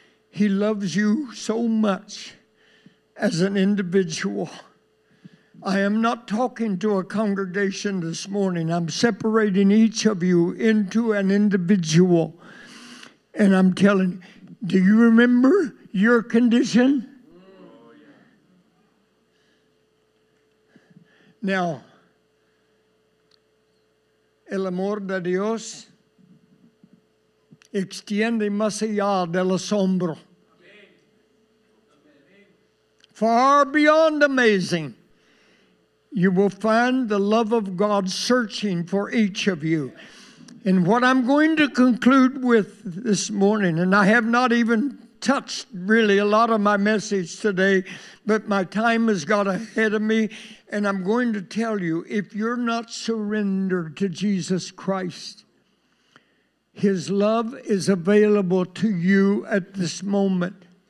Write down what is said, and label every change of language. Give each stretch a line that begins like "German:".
English: He loves you so much as an individual. I am not talking to a congregation this morning. I'm separating each of you into an individual. And I'm telling you, do you remember your condition?
Spanish: Now, el amor de Dios extiende más allá del asombro.
English: Far beyond amazing, you will find the love of God searching for each of you. And what I'm going to conclude with this morning, and I have not even touched really a lot of my message today, but my time has got ahead of me, and I'm going to tell you, if you're not surrendered to Jesus Christ, His love is available to you at this moment.